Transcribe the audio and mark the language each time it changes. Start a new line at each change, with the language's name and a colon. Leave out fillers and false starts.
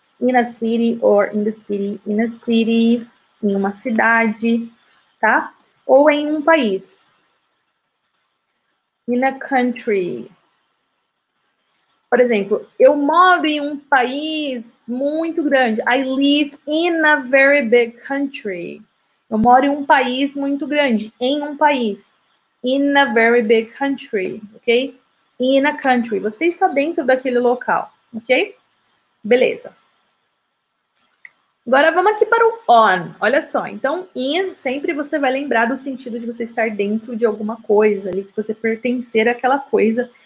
English: In a city or in the city, in a city,
Portuguese: em uma cidade, tá? Ou em um país.
English: In a country.
Portuguese: Por exemplo, eu moro em um país muito grande.
English: I live in a very big country.
Portuguese: Eu moro em um país muito grande, em um país.
English: In a very big country, ok? In a country.
Portuguese: Você está dentro daquele local, ok? Beleza. Agora vamos aqui para o on. Olha só, então, in, sempre você vai lembrar do sentido de você estar dentro de alguma coisa, ali, que você pertencer àquela coisa.